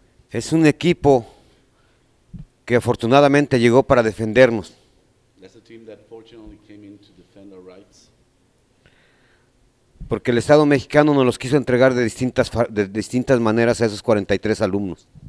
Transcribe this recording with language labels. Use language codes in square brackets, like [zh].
[es] Es un equipo que afortunadamente llegó para defendernos. [en] That's a team that fortunately came in to defend our rights. [es] Porque el Estado mexicano nos los quiso entregar de distintas maneras a esos 43 alumnos.